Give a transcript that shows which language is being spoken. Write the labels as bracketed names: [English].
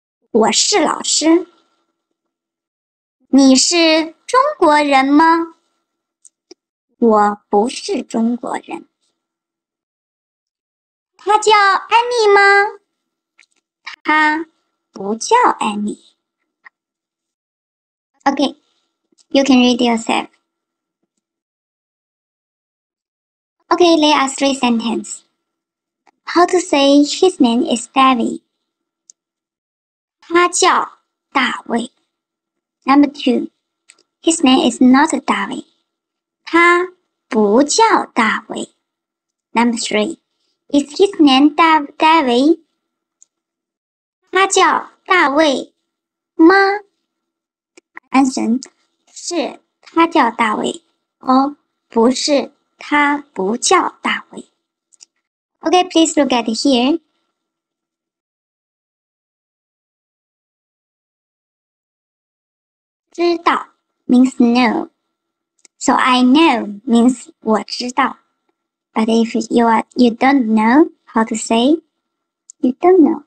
[Chinese] 我是老师。你是中国人吗? 我不是中国人。他叫安妮吗? 他不叫安妮。 [English] Okay, you can read yourself. Okay, there are three sentences. How to say his name is David? [Chinese] 他叫大卫. [English] Number two, his name is not David. [Chinese] 他不叫大卫. [English] Number three, is his name David? [Chinese] 他叫大卫吗? Answer, 是他叫大卫, or 不是. 他不叫大卫. [English] Okay, please look at here. Zhidao means know. So I know means [Chinese] 我知道. [English] But if you don't know how to say, you don't know.